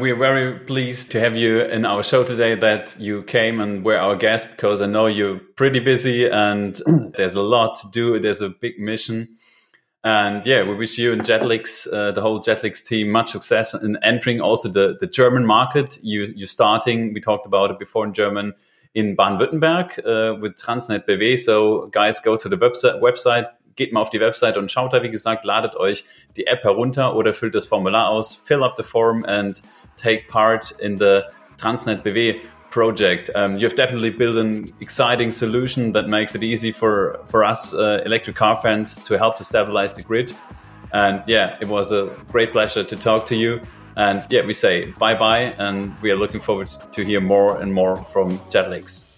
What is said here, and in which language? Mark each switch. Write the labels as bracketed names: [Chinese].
[English] We are very pleased to have you in our show today, that you came and were our guest, because I know you're pretty busy and there's a lot to do. There's a big mission. And yeah, we wish you and Jetlix, the whole Jetlix team, much success in entering also the German market. You're starting, we talked about it before, in German, in Baden-Württemberg with Transnet BW. So guys, go to the website, [German] geht mal auf die Website und schaut da, wie gesagt, ladet euch die App herunter oder füllt das Formular aus, [English] fill up the form and take part in the Transnet BW project. You've definitely built an exciting solution that makes it easy for us electric car fans to help to stabilize the grid. And yeah, it was a great pleasure to talk to you. And yeah, we say bye-bye, and we are looking forward to hear more and more from Jetlix.